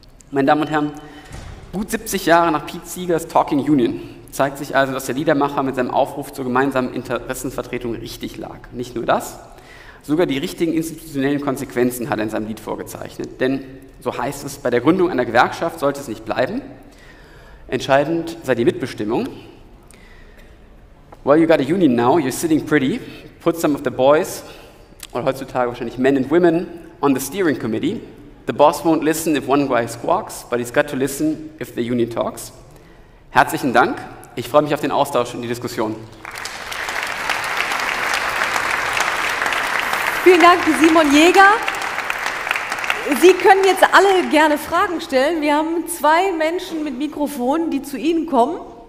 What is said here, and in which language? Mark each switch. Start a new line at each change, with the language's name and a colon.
German: Meine Damen und Herren, gut 70 Jahre nach Pete Seegers Talking Union zeigt sich also, dass der Liedermacher mit seinem Aufruf zur gemeinsamen Interessenvertretung richtig lag. Nicht nur das, sogar die richtigen institutionellen Konsequenzen hat er in seinem Lied vorgezeichnet. Denn, so heißt es, bei der Gründung einer Gewerkschaft sollte es nicht bleiben. Entscheidend sei die Mitbestimmung.
English: Well, you got a union now, you're sitting pretty. Put some of the boys,
German: oder heutzutage wahrscheinlich
English: men and women, on the steering committee. The boss won't listen if one guy squawks, but he's got to listen if the union talks.
German: Herzlichen Dank. Ich freue mich auf den Austausch und die Diskussion. Vielen Dank, Simon Jäger. Sie können jetzt alle gerne Fragen stellen. Wir haben zwei Menschen mit Mikrofonen, die zu Ihnen kommen.